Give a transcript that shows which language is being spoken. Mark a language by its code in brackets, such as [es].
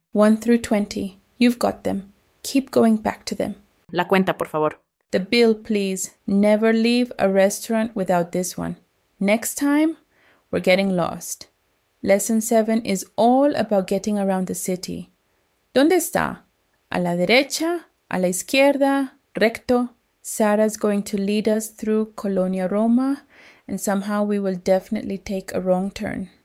[en] 1 through 20. You've got them. Keep going back to them. [es] La cuenta, por favor. [en] The bill, please. Never leave a restaurant without this one. Next time, we're getting lost. Lesson 7 is all about getting around the city. [es] ¿Dónde está? A la derecha, a la izquierda, recto. [en] Sara's going to lead us through Colonia Roma, and somehow we will definitely take a wrong turn.